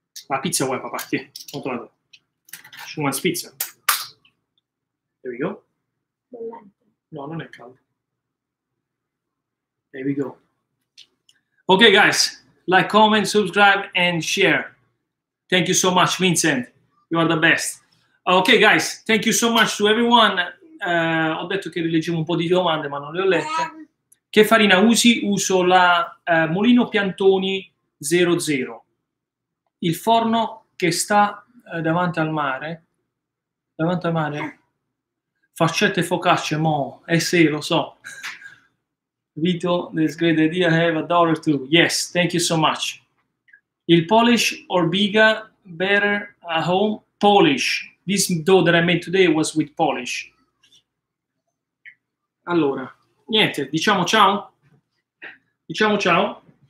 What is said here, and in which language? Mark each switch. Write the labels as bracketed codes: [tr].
[it] La pizza vuoi, papà? Che? Non trovo. [en] She wants pizza. There we go. [it] No, non è caldo. [en] There we go. Okay, guys, like, comment, subscribe, and share. Thank you so much, Vincent. You are the best. Okay, guys, thank you so much to everyone. [it] Ho detto che rileggevo un po' di domande, ma non le ho lette. Che farina usi? Uso la Molino Piantoni 00. Il forno che sta davanti al mare, faccette focacce, mo. Sì, lo so. [en] Vito, this great idea, I have a daughter too. Yes, thank you so much. Il Polish or Biga better at home? Polish. This dough that I made today was with Polish. [it] Allora, niente, diciamo ciao. Diciamo ciao.